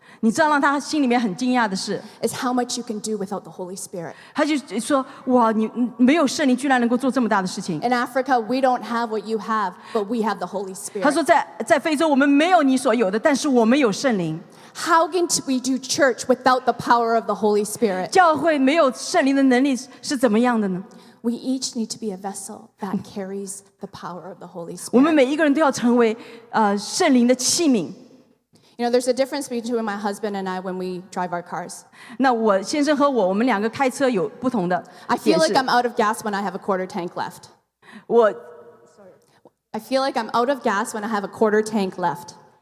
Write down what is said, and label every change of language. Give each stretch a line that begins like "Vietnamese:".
Chinese: 你知道让他心里面很惊讶的是,
English: is how much you can do without the Holy Spirit.
Chinese: 他就说：“哇，你没有圣灵，居然能够做这么大的事情。”
English: In Africa, we don't have what you have, but we have the Holy Spirit.
Chinese: 他说在非洲我们没有你所有的，但是我们有圣灵。
English: How can we do church without the power of the Holy Spirit?
Chinese: 教会没有圣灵的能力是怎么样的呢?
English: We each need to be a vessel that carries the power of the Holy Spirit.
Chinese: 我们每一个人都要成为, 圣灵的器皿。
English: You know, there's a difference between my husband and I when we drive our cars.
Chinese: 那我先生和我们两个开车有不同的,
English: I feel like I'm out of gas when I have a quarter tank left. I feel like I'm out of gas when I have a quarter tank left.